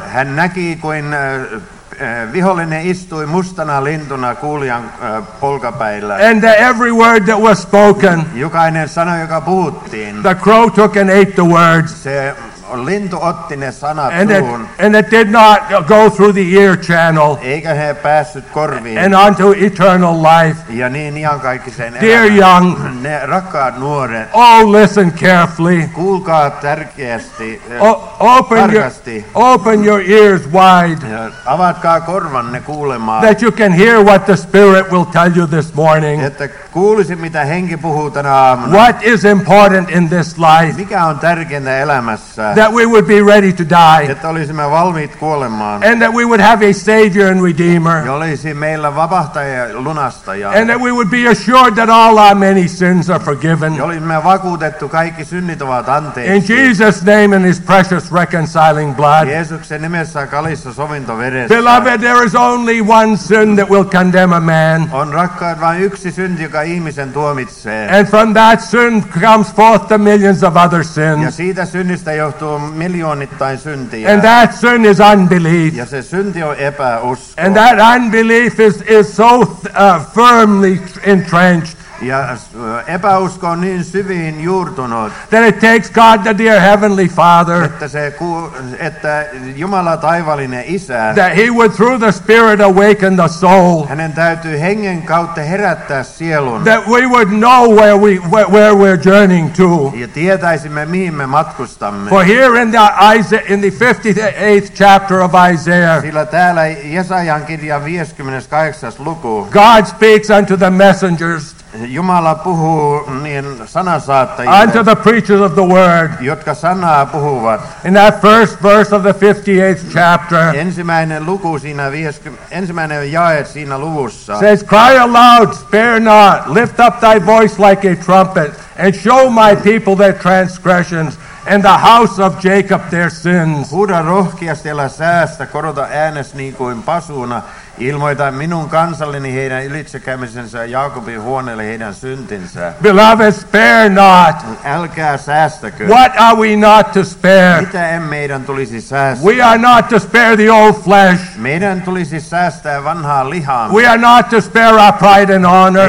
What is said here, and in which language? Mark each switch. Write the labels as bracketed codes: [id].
[fi] Hän näki kuin vihollinen istui mustana lintuna kuulijan polkapäillä. [en] And every word that was spoken, [fi] jokainen sana, joka puhuttiin, [en] the crow took and ate the words. [fi] Se lintu otti ne sanat suun. [en] And it did not go through the ear channel. [fi] Eikä he päässyt korviin. [en] And unto eternal life. [fi] Ja niin iankaikkiseen elämään. [en] Dear young, [fi] ne rakkaat nuoret. [en] Oh, listen carefully. [fi] Kuulkaa tärkeästi. [en] Open your ears wide. [fi] Ja avatkaa korvanne kuulemaan. [en] That you can hear what the Spirit will tell you this morning. [fi] Että kuulisi, mitä henki puhuu tänä aamuna. [en] What is important in this life. [fi] Mikä on tärkeintä elämässä. [en] That we would be ready to die. [fi] Että olisimme valmiit kuolemaan. [en] And that we would have a savior and redeemer. [fi] Ja olisi meillä vapahtaja ja lunastaja. [en] And that we would be assured that all our many sins are forgiven. [fi] Ja olisimme vakuutettu, kaikki synnit ovat anteeksi. [en] In Jesus' name and his precious reconciling blood. [fi] Jeesuksen nimessä, kalissa sovintoveressä. [en] Beloved, there is only one sin that will condemn a man. [fi] On, rakkaat, vain yksi synti, joka joka ihmisen tuomitsee. [en] And from that sin comes forth the millions of other sins. [fi] Ja siitä synnistä johtuu miljoonittain syntiä. [en] And that sin is unbelief. [fi] Ja se synti on epäusko. [en] And that unbelief is so firmly entrenched. [fi] Ja epäusko on niin syvin juurtunut. [en] That it takes God, the dear heavenly Father. [fi] Että Jumala taivaallinen Isä. [en] That he would through the Spirit awaken the soul. [fi] Hänen täytyy hengen kautta herättää sielun. [en] That we would know where we're journeying to. [fi] Ja tietäisimme mihin me matkustamme. [en] For here in the 58th chapter of Isaiah. [fi] Sillä täällä Jesajan kirja 58. luku. [en] God speaks unto the messengers. [fi] Jumala puhuu niin sanansaattajille. [en] Unto the preachers of the word. [fi] Jotka sanaa puhuvat. [en] In that first verse of the 58th chapter. [fi] Ensimmäinen luku siinä ensimmäinen jae siinä luvussa. [en] Says, cry aloud, spare not, lift up thy voice like a trumpet, and show my people their transgressions, and the house of Jacob their sins. [fi] Huuda rohkeasti, älä säästä, korota äänes niin kuin pasuuna. Ilmoita minun kansalleni heidän ylitsekäymisensä, Jaakobin huoneelle heidän syntinsä. [en] Beloved, spare not. [fi] Älkää säästäkö. [en] What are we not to spare? [fi] Mitä en meidän tulisi säästää? [en] We are not to spare the old flesh. [fi] Meidän tulisi säästää vanhaa lihaamme. [en] We are not to spare our pride and honor.